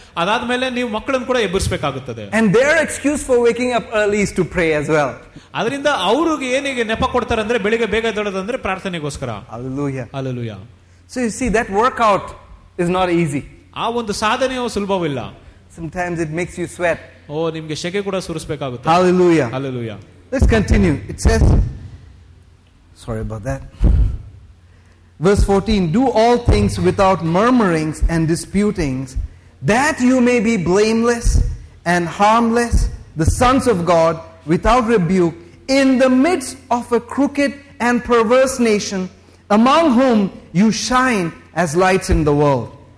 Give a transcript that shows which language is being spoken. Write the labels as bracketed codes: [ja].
[kn] ಅದಾದ ಮೇಲೆ ನೀವು ಮಕ್ಕಳನ್ನು ಕೂಡ ಎಬ್ಬಿಸಬೇಕಾಗುತ್ತದೆ. [en] And their excuse for waking up early is to pray as well. [kn] ಅದರಿಂದ ಅವರಿಗೆ ಏನಿಗೆ ನೆಪ ಕೊಡ್ತಾರೆ ಅಂದ್ರೆ ಬೆಳಿಗ್ಗೆ ಬೇಗ ಎದ್ದೋದಂದ್ರೆ ಪ್ರಾರ್ಥನೆಗೋಸ್ಕರ. [en] Hallelujah. So you see, that workout is not easy. [kn] ಆ ಒಂದು ಸಾಧನೆ ಸುಲಭವಿಲ್ಲ. [en] Sometimes it makes you sweat. [kn] ಓ, ನಿಮಗೆ ಶೆಕೆ ಕೂಡ ಸುರಿಸಬೇಕಾಗುತ್ತೆ. [en] Hallelujah. Hallelujah. Let's continue. It says, sorry about that. Verse 14, do all things without murmurings and disputings, that you may be blameless and harmless, the sons of God, without rebuke, in the midst of a crooked and perverse nation, among whom you shine as lights in the world.